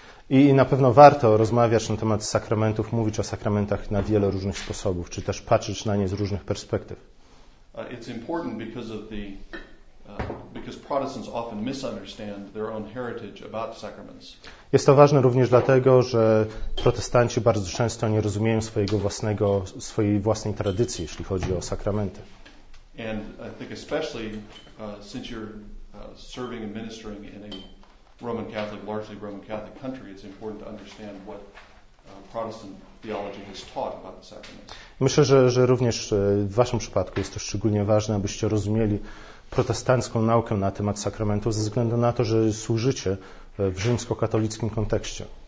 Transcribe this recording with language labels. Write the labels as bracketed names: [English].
[Polish] I na pewno warto rozmawiać na temat sakramentów, mówić o sakramentach na wiele różnych sposobów, czy też patrzeć na nie z różnych perspektyw. [English] It's important because of the because Protestants often misunderstand their own heritage about sacraments. [Polish] Jest to ważne również dlatego, że protestanci bardzo często nie rozumieją swojej własnej tradycji, jeśli chodzi o sakramenty. [English] And I think especially since you're serving and ministering in a Roman Catholic, largely Roman Catholic country, it's important to understand what Protestant theology has taught about the sacraments. [Polish] Myślę, że również w waszym przypadku jest to szczególnie ważne, abyście rozumieli protestancką naukę na temat sakramentów ze względu na to, że służycie w rzymskokatolickim kontekście.